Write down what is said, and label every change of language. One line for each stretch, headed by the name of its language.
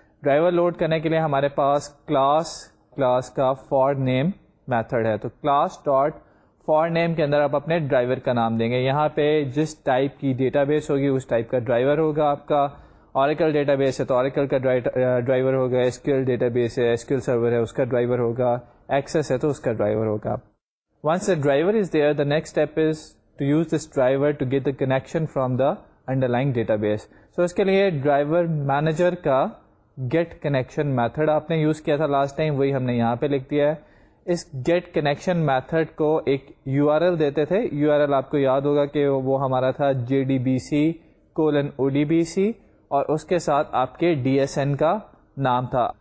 Urdu: Driver load کرنے کے لیے ہمارے پاس کلاس کا فار نیم میتھڈ ہے. تو کلاس ڈاٹ فار نیم کے اندر آپ اپنے ڈرائیور کا نام دیں گے. یہاں پہ جس ٹائپ کی ڈیٹا بیس ہوگی اس ٹائپ کا ڈرائیور ہوگا. آپ کا اوریکل ڈیٹا بیس ہے تو اوریکل کا ڈرائیور ہوگا, S Q L data base ہے, ایس کیو ایل سرور ہے اس کا ڈرائیور ہوگا, ایکسس ہے تو اس کا ڈرائیور ہوگا.
English: Once the driver is there the next step is to use this driver to get the connection from the under line database.
Urdu: سو اس کے لیے ڈرائیور مینیجر کا گیٹ کنیکشن میتھڈ آپ نے یوز کیا تھا لاسٹ ٹائم, وہی ہم نے یہاں پہ لکھ دیا ہے. اس گیٹ کنیکشن میتھڈ کو ایک یو آر ایل دیتے تھے. یو آر ایل آپ کو یاد ہوگا کہ وہ ہمارا تھا jdbc:odbc, اور اس کے ساتھ آپ کے ڈی ایس این کا نام تھا.